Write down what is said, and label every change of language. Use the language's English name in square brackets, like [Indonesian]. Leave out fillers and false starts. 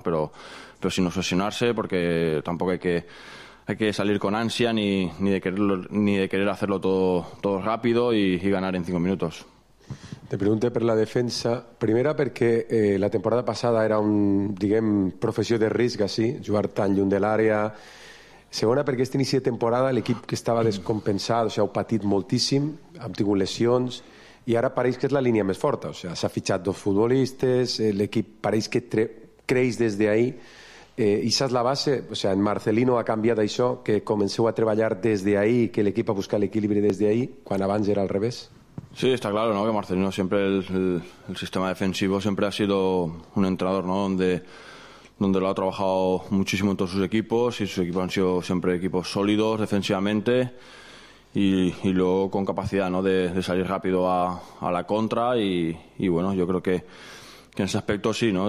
[Spanish] Pero sin obsesionarse, porque tampoco hay que salir con ansia ni de querer hacerlo todo rápido y ganar en 5 minutos. [Catalan] Te pregunté per la defensa. Primera, perquè la temporada passada era un, diguem, professió de risc, així, jugar tan lluny de l'àrea. Segona, perquè este inici de temporada l'equip que estava descompensat, o sigui, ha patit moltíssim, ha tingut lesions, i ara pareix que és la línia més forta, o sigui, s'ha fitxat dos futbolistes, l'equip pareix que creix des d'ahir, i saps la base, o sigui, en Marcelino ha canviat això, que comenceu a treballar des d'ahir, que l'equip ha buscat l'equilibri des d'ahir, quan abans era al revés? [Spanish] Sí, está claro, ¿no? Que Marcelino siempre el sistema defensivo siempre ha sido un entrenador, ¿no? Donde lo ha trabajado muchísimo en todos sus equipos y sus equipos han sido siempre equipos sólidos defensivamente y luego con capacidad, ¿no? De salir rápido a la contra y bueno, yo creo que en ese aspecto sí, ¿no?